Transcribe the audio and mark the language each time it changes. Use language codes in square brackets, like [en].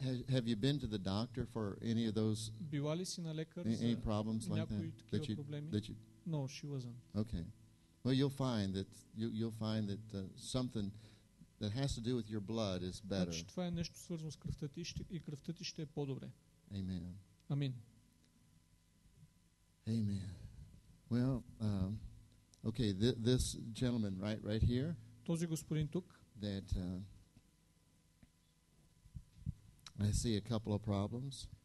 [en] Have you been to the doctor for any of those any problems like that? No, she wasn't. Okay. Well, you'll find that you'll find that something that has to do with your blood is better. [bg] Значи, това е нещо свързано с кръвта ти и кръвта ти ще е по-добре. [en] Amen. Amen. Amen. Well, okay, this gentleman right here. [bg] Този господин тук. [en] That I see a couple of problems.